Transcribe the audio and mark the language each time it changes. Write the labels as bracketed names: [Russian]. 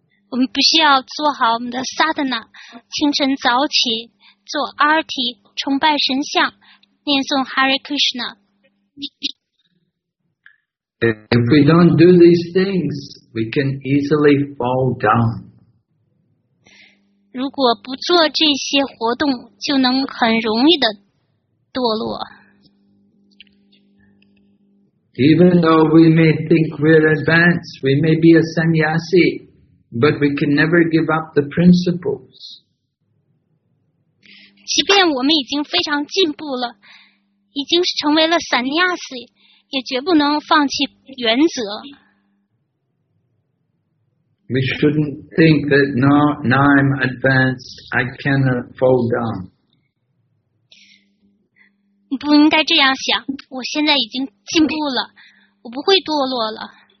[Chinese] 我们必须要做好我们的 sadhana， 清晨早起做 arti， 崇拜神像，念诵 Hare Krishna。 [English] If we don't do these things, we can easily fall down. [Chinese] 如果不做这些活动，就能很容易的堕落。 [English] Even though we may think we're advanced, we may be a sannyasi, but we can never give up the principles. [Chinese] 即便我们已经非常进步了，已经成为了 sannyasi。也绝不能放弃原则。 [English] We shouldn't think that now I'm advanced, I cannot fall down. [Chinese] 不应该这样想，我现在已经进步了，我不会堕落了。